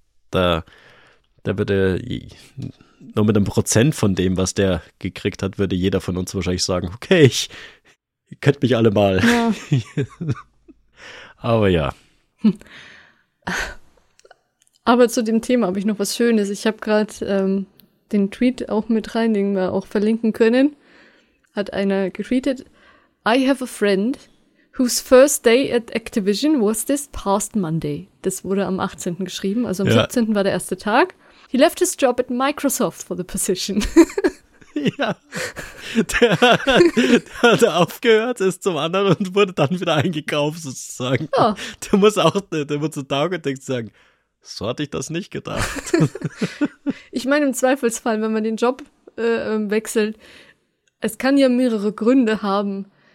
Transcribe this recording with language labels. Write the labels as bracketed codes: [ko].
[de] Da würde nur mit einem Prozent von dem, was der gekriegt hat, würde jeder von uns wahrscheinlich sagen, okay, ihr könnt mich alle mal. Ja. Aber ja. Aber zu dem Thema habe ich noch was Schönes. Ich habe gerade den Tweet auch mit rein, den wir auch verlinken können. [en] Hat einer getweetet: I have a friend whose first day at Activision was this past Monday. [de] Das wurde am 18. geschrieben, also am Ja. 17. war der erste Tag. [en] He left his job at Microsoft for the position. [de] Ja. Der aufgehört, ist zum anderen und wurde dann wieder eingekauft, sozusagen. Ja. Der muss auch, der muss zu Tagetext sagen, so hatte ich das nicht gedacht. Ich meine, im Zweifelsfall, wenn man den Job wechselt, es kann ja mehrere Gründe haben.